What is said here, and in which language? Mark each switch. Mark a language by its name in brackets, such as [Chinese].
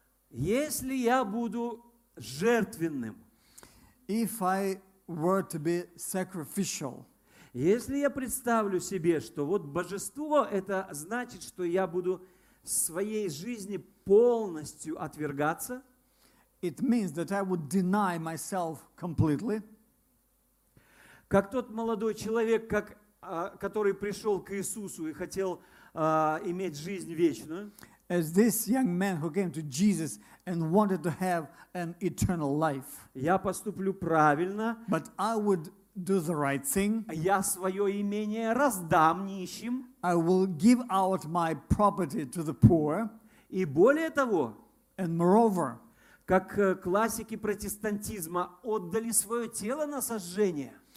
[Russian] Если я буду жертвенным. [English] If I were to be sacrificial. [Russian] Если я представлю себе, что вот божество, это значит, что я буду в своей жизни полностью отвергаться. [English] It means that I would deny myself completely. [Russian] Как тот молодой человек, который пришел к Иисусу и хотел иметь жизнь вечную. [English] As this young man who came to Jesus and wanted to have an eternal life. [Russian] Я поступлю правильно. [English] But I would do the right thing. [Russian] Я свое имение раздам нищим. [English] I will give out my property to the poor. [Russian] И более того, [English] and moreover, [Russian] как классики протестантизма отдали свое тело на сожжение.